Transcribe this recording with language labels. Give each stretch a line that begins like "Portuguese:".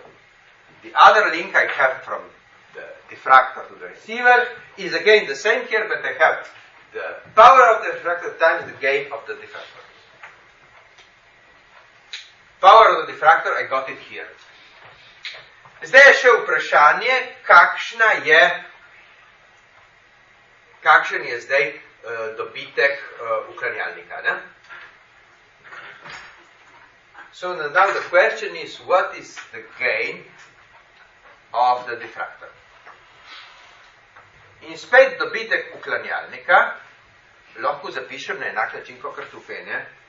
English: So, the other link I have from the diffractor to the receiver is again the same here, but I have the power of the diffractor times the gain of the diffractor. Power of the diffractor, I got it here.
Slovenian: Zdaj je še vprašanje, kakšen je zdaj dobitek uklanjalnika. Ne?
English: So now the question is, what is the gain of the diffractor?
Slovenian: In spet dobitek uklanjalnika lahko zapišem na enak način, kot tukaj, ne?